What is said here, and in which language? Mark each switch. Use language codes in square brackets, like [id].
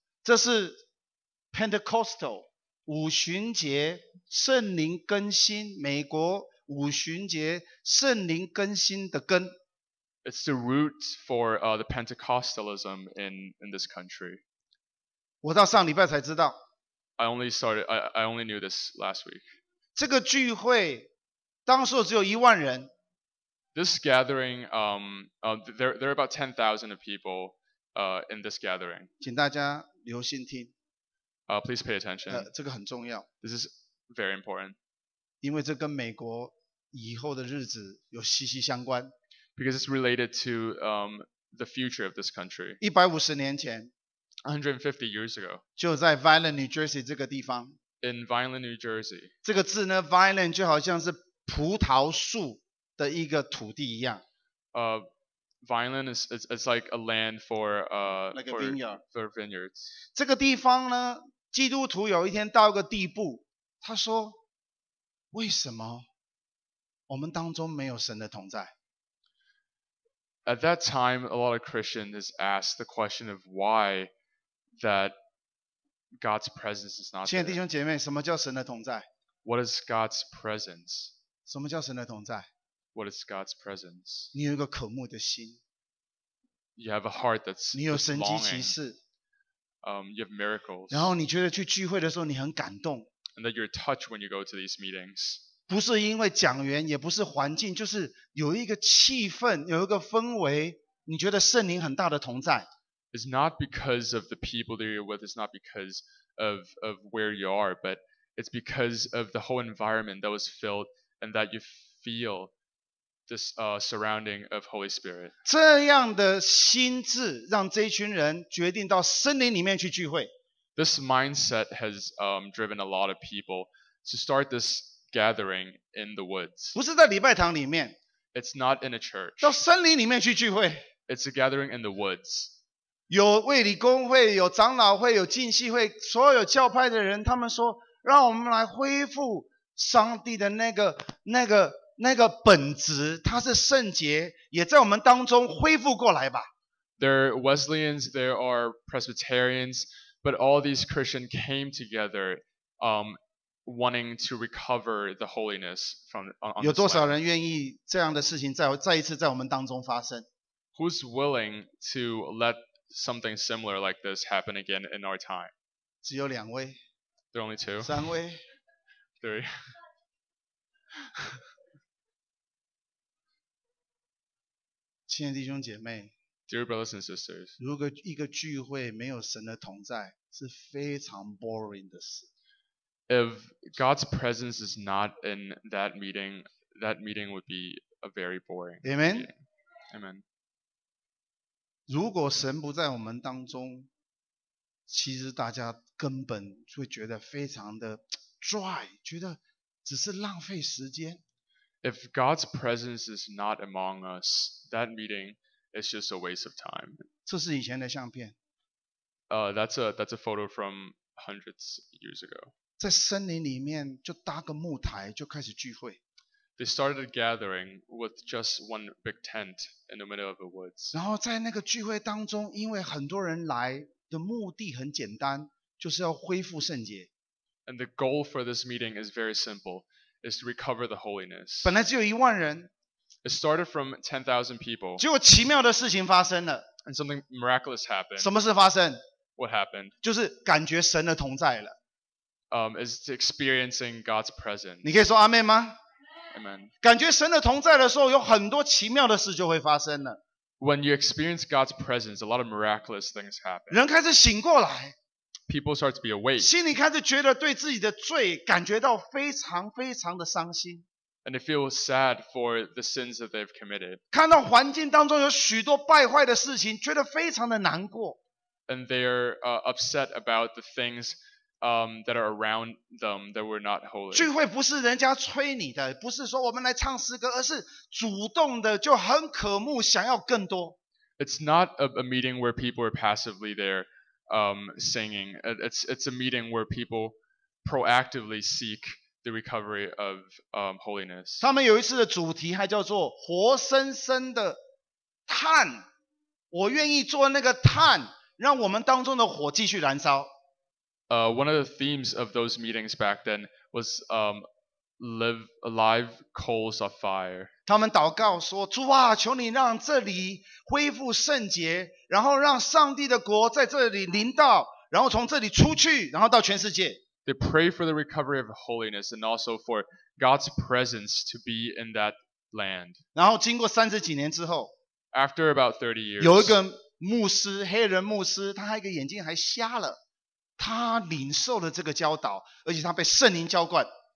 [zh] 这是 Pentecostal 五旬节圣灵更新，美国五旬节圣灵更新的根。 [en] It's the root for the Pentecostalism in this country. [zh] 我到上礼拜才知道。 [en] I only knew this last week. [zh] 这个聚会当时只有一万人。 [en] This gathering, there are about 10,000 of people, in this gathering. [zh] 请大家留心听。 [en] Please pay attention. [zh] 这个很重要。 [en] This is very important. [zh] 因为这跟美国以后的日子有息息相关。 [en] Because it's related to the future of this country. [zh] 150年前。 [en] 150 years ago. [zh] 就在 Vinland, New Jersey 这个地方。 [en] In Vinland, New Jersey. [zh] 这个字呢 ,Vinland 就好像是葡萄树的一个土地一样。 [en] Vinland is like a land for, like a vineyard. For vineyards. [zh] 这个地方呢，基督徒有一天到一个地步，他说，为什么我们当中没有神的同在？ [en] At that time, a lot of Christians has asked the question of why that God's presence is not there. [zh] 亲爱的弟兄姐妹，什么叫神的同在？ [en] What is God's presence? [zh] 什么叫神的同在？ [en] What is God's presence? [zh] 你有一个渴慕的心。 [en] You have a heart that's longing. [zh] 你有神迹奇事。 [en] You have miracles. [zh] 然后你觉得去聚会的时候你很感动。 [en] And that you're touched when you go to these meetings. [zh] 不是因为讲员，也不是环境，就是有一个气氛，有一个氛围，你觉得圣灵很大的同在。 [en] It's not because of the people that you're with. It's not because of where you are, but it's because of the whole environment that was filled and that you feel this surrounding of Holy Spirit. [zh] 这样的心智让这群人决定到森林里面去聚会。 [en] This mindset has driven a lot of people to start this gathering in the woods. [zh] 不是在礼拜堂里面。 [en] It's not in a church. [zh] 到森林里面去聚会。 [en] It's a gathering in the woods. [zh] 有卫理公会，有长老会，有浸信会，所有教派的人，他们说，让我们来恢复上帝的那个本质，他是圣洁，也在我们当中恢复过来吧。 [en] There are Wesleyans, there are Presbyterians, but all these Christians came together, wanting to recover the holiness from. [zh] 有多少人愿意这样的事情再一次在我们当中发生 [en] ？Who's willing to let something similar like this happen again in our time? [zh] 只有两位。 [en] There are only two. [zh] 三位。 [en] Three. [zh] 亲爱的弟兄姐妹。 [en] Dear brothers and sisters. [zh] 如果一个聚会没有神的同在，是非常 [en] boring [zh] 的事。 [en] If God's presence is not in that meeting would be a very boring meeting. Amen. Amen. [zh] 如果神不在我们当中，其实大家根本会觉得非常的 [en] dry， [zh] 觉得只是浪费时间。 [en] If God's presence is not among us, that meeting is just a waste of time. [zh] 这是以前的相片。 [en] That's a photo from hundreds years ago. [zh] 在森林里面就搭个木台就开始聚会。 [en] They started a gathering with just one big tent in the middle of the woods. [zh] 然后在那个聚会当中，因为很多人来的目的很简单，就是要恢复圣洁。 [en] And the goal for this meeting is very simple, is to recover the holiness. [zh] 本来只有一万人。 [en] It started from 10,000 people. [zh] 结果奇妙的事情发生了。 [en] And something miraculous happened. [zh] 什么事发生？ [en] What happened? [zh] 就是感觉神的同在了。 [en] Is experiencing God's presence. [zh] 你可以说阿妹吗？ [en] Amen. [zh] 感觉神的同在的时候，有很多奇妙的事就会发生了。 [en] When you experience God's presence, a lot of miraculous things happen. [zh] 人开始醒过来。 [en] People start to be awake. [zh] 心里开始觉得对自己的罪感觉到非常非常的伤心。 [en] And they feel sad for the sins that they've committed. [zh] 看到环境当中有许多败坏的事情，觉得非常的难过。 [en] And they're upset about the things. That are around them that were not holy. [zh] 聚会不是人家催你的，不是说我们来唱诗歌，而是主动的，就很渴慕，想要更多。 [en] It's not a meeting where people are passively there, singing. It's a meeting where people proactively seek the recovery of holiness. [zh] 他们有一次的主题还叫做“活生生的炭”，我愿意做那个炭，让我们当中的火继续燃烧。 [en] One of the themes of those meetings back then was live alive coals of fire. [zh] 他们祷告说，主啊，求你让这里恢复圣洁，然后让上帝的国在这里临到，然后从这里出去，然后到全世界。 [en] They pray for the recovery of holiness and also for God's presence to be in that land. [zh] 然后经过三十几年之后， [en] After about 30 years, [zh] 有一个牧师，黑人牧师，他一个眼睛还瞎了。他领受了这个教导，而且他被圣灵浇灌。